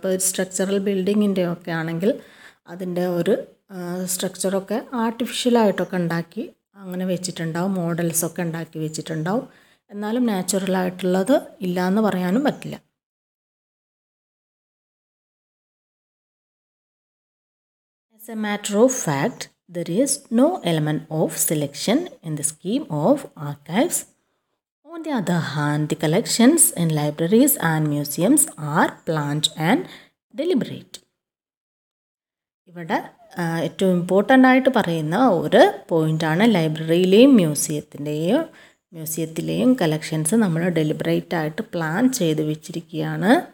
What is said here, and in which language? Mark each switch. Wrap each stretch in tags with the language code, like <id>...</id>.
<ml>അപ്പോൾ ഒരു സ്ട്രക്ചറൽ ബിൽഡിങ്ങിൻ്റെ ഒക്കെ ആണെങ്കിൽ അതിൻ്റെ ഒരു സ്ട്രക്ചറൊക്കെ ആർട്ടിഫിഷ്യലായിട്ടൊക്കെ ഉണ്ടാക്കി അങ്ങനെ വെച്ചിട്ടുണ്ടാവും, മോഡൽസൊക്കെ ഉണ്ടാക്കി വെച്ചിട്ടുണ്ടാവും. എന്നാലും നാച്ചുറലായിട്ടുള്ളത് ഇല്ല എന്ന് പറയാനും പറ്റില്ല.</ml> <en>As a matter of fact, there is no element of selection in the scheme of archives. On the other hand, the collections in libraries and museums are planned and deliberate.</en> <ml>ഇവിടെ ഏറ്റവും ഇമ്പോർട്ടൻ്റ് ആയിട്ട് പറയുന്ന ഒരു പോയിൻ്റാണ് ലൈബ്രറിയിലെയും മ്യൂസിയത്തിൻ്റെയും മ്യൂസിയത്തിലെയും collections നമ്മൾ deliberate ആയിട്ട് plan ചെയ്ത് വെച്ചിരിക്കുകയാണ്.</ml>